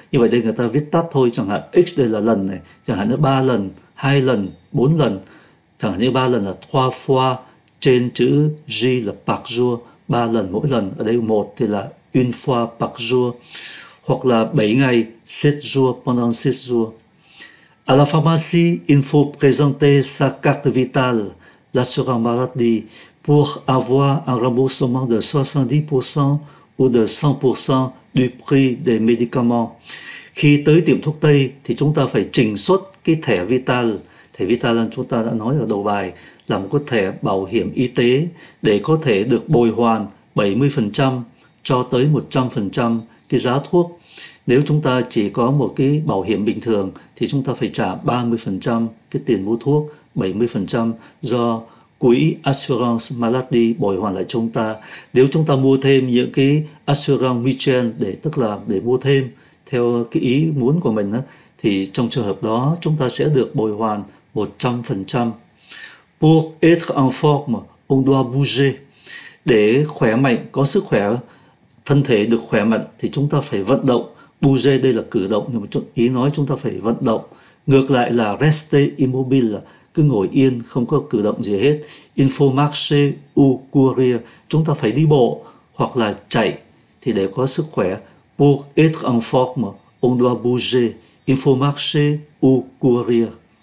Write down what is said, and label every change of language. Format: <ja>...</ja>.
<vi>Như vậy đây người ta viết tắt thôi, chẳng hạn X đây là lần này, chẳng hạn là 3 lần, 2 lần, 4 lần, chẳng hạn như 3 lần là 3 fois, trên chữ J là</vi> <fr>par jour,</fr> <vi>3 lần mỗi lần, ở đây 1 thì là</vi> <fr>une fois par jour,</fr> <vi>hoặc là 7 ngày, 7 jours,</vi> <fr>pendant 6 jours. À la pharmacie, il faut présenter sa carte vitale, l'assurance maladie, pour avoir un remboursement de 70% ou de 100% du prix des médicaments.</fr> <vi>Khi tới tiệm thuốc Tây thì chúng ta phải trình xuất cái thẻ vital. Thẻ vital chúng ta đã nói ở đầu bài là một cái thẻ bảo hiểm y tế để có thể được bồi hoàn 70% cho tới 100% cái giá thuốc. Nếu chúng ta chỉ có một cái bảo hiểm bình thường thì chúng ta phải trả 30% cái tiền mua thuốc, 70% do quỹ assurance maladie bồi hoàn lại chúng ta. Nếu chúng ta mua thêm những cái assurance mutuelle, để tức là để mua thêm theo cái ý muốn của mình, thì trong trường hợp đó chúng ta sẽ được bồi hoàn 100%.</vi> <fr>Pour être en forme, on doit bouger.</fr> <vi>Để khỏe mạnh, có sức khỏe, thân thể được khỏe mạnh thì chúng ta phải vận động. Bouger đây là cử động, nhưng mà ý nói chúng ta phải vận động. Ngược lại là</vi> <fr>rester immobile,</fr> <vi>cứ ngồi yên, không có cử động gì hết.</vi> <fr>Il faut marcher ou courir,</fr> <vi>chúng ta phải đi bộ hoặc là chạy thì để có sức khỏe.</vi> <fr>Pour être en forme, on doit bouger. Il faut marcher ou courir.</fr>